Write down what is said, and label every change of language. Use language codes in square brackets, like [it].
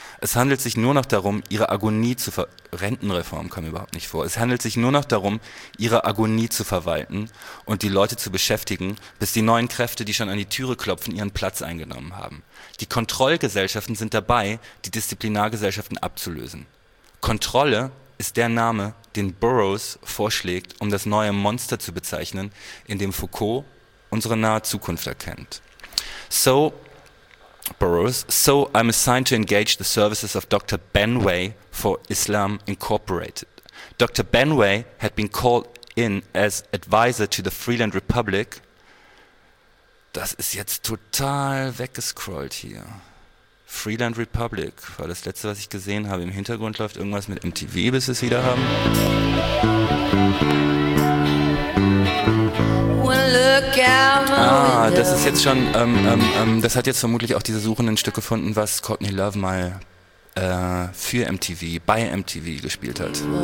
[de] Es handelt sich nur noch darum, ihre Agonie zu Rentenreform kam überhaupt nicht vor. Es handelt sich nur noch darum, ihre Agonie zu verwalten und die Leute zu beschäftigen, bis die neuen Kräfte, die schon an die Türe klopfen, ihren Platz eingenommen haben. Die Kontrollgesellschaften sind dabei, die Disziplinargesellschaften abzulösen. Kontrolle ist der Name, den Burroughs vorschlägt, um das neue Monster zu bezeichnen, in dem Foucault unsere nahe Zukunft erkennt. [en] So, Burroughs, I'm assigned to engage the services of Dr. Benway for Islam Incorporated. Dr. Benway had been called in as advisor to the Freeland Republic. [de] Das ist jetzt total weggescrollt hier. Freeland Republic war das letzte, was ich gesehen habe. Im Hintergrund läuft irgendwas mit MTV, bis wir es wieder haben. Ah, das ist jetzt schon, das hat jetzt vermutlich auch diese Suchenden ein Stück gefunden, was Courtney Love mal für MTV, bei MTV gespielt hat.